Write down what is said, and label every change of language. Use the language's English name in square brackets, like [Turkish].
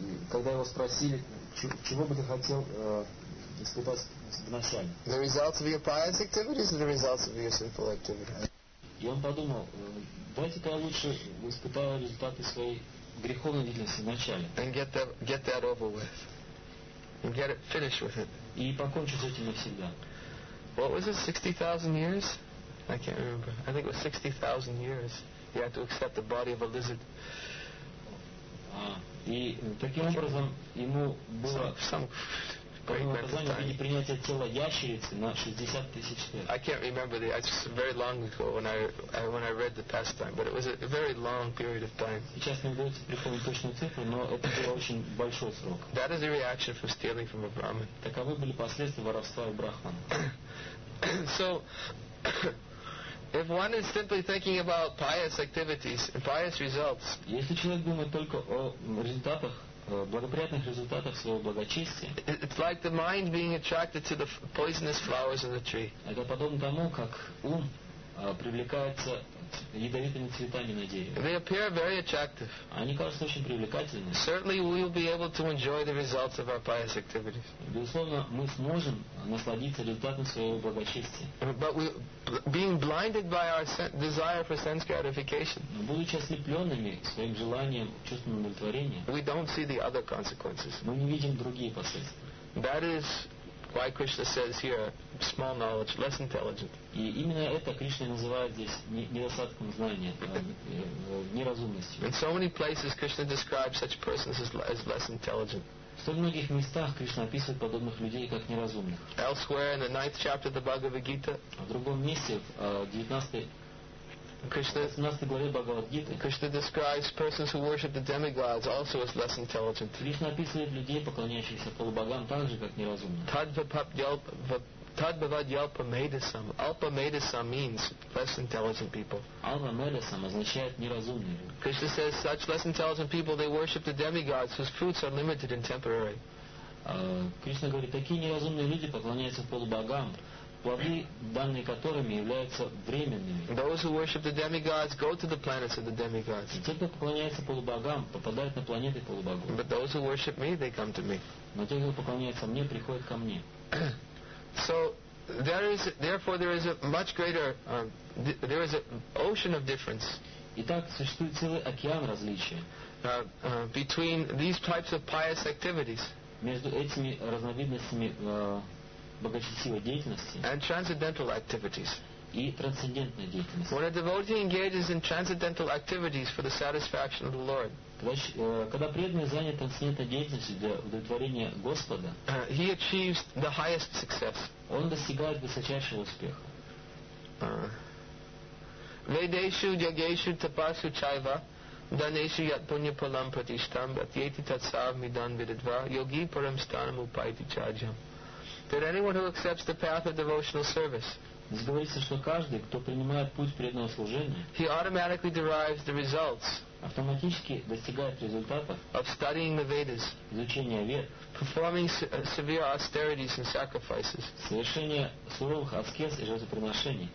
[Russian] Когда его спросили, чего бы ты хотел испытать вначале? [English] The results of your pious activities or the results of your sinful activities? [Russian] И он подумал, дайте-ка я лучше испытаю результаты своей греховной деятельности вначале. [English] And get that over with. And get it finished with it. [Russian] И покончу с этим навсегда. [English] What was it, 60,000 years? I can't remember. I think it was 60,000 years. He had to accept the body of a lizard. [Russian] И таким образом ему было [English] some [Russian] принятие тела ящерицы на 60 тысяч лет. [English] I can't remember the. It's very long ago when I read the past time, but it was a very long period of time. [Russian] Сейчас не удается припомнить точную цифру, но это был очень большой срок. [English] That is a reaction from stealing from a Brahmin. [Russian] Таковы были последствия воровства у брахмана. [English] So if one is simply thinking about pious activities and pious results, [Russian] если человек думает только о результатах, благоприятных результатах своего благочестия, [English] it's like the mind being attracted to the poisonous flowers in the tree. [Russian] Это подобно тому, как ум привлекаются ядовитыми цветами на дереве. [English] They appear very attractive. [Russian] Они кажутся очень привлекательными. [English] Certainly we will be able to enjoy the results of our pious activities. [Russian] Безусловно, мы сможем насладиться результатом своего благочестия. [English] But we, being blinded by our desire for sense gratification, [Russian] но будучи ослепленными своим желанием чувственного удовлетворения, [English] we don't see the other consequences. [Russian] Мы не видим другие последствия. [English] That is why Krishna says here, small knowledge, less intelligent. [Russian] И именно это Кришна называет здесь недостатком знания, неразумностью. [English] In so many places Krishna describes such persons as less intelligent. [Russian] В столь многих местах Кришна описывает подобных людей как неразумных. [English] Elsewhere in the 9th chapter of the Bhagavad Gita. [Russian] В другом месте, в 18 главе Бхагавад Гиты, [English] Krishna describes persons who worship the demigods also as less intelligent. [Russian] Кришна описывает людей, поклоняющихся полубогам, так же, как неразумных. [Sanskrit] Tadbhavadyalpamedasam. [English] Alpamedasam means less intelligent people. [Russian] Alpamedasam означает неразумные. [English] Krishna says such less intelligent people, they worship the demigods whose fruits are limited and temporary. [Russian] Кришна говорит, такие неразумные люди поклоняются полубогам, плоды, данные которыми являются временными. [English] Those who worship the demigods go to the planets of the demigods. [Russian] Те, кто поклоняется полубогам, попадают на планеты полубогов. [English] But those who worship me, they come to me. [Russian] Но те, кто поклоняется мне, приходят ко мне. [English] So there is, therefore, there is a much greater, there is an ocean of difference. [Russian] Итак, существует целый океан различия [English] between these types of pious activities [Russian] между этими разновидностями благочестивой деятельности [English] and transcendental activities. [Russian] И трансцендентной деятельности. [English] When a devotee engages in transcendental activities for the satisfaction of the Lord, [Russian] когда преданный занят трансцендентной деятельностью для удовлетворения Господа, [English] he achieves the highest success. [Russian] Он достигает высочайшего успеха. [Sanskrit] Vedeshu yageshu tapasu chaiva daneshu yat punya palam pratishtam atyeti tatsav midan vidadva yogi param stanam upaiti chajam. [English] That anyone who accepts the path of devotional service, [Russian] здесь говорится, что каждый, кто принимает путь преданного служения, [English] he automatically derives the results, [Russian] автоматически достигает результатов, [English] of studying the Vedas, [Russian] изучения Вед, [English] performing severe austerities and sacrifices, [Russian] совершение суровых аскез и жертвоприношений,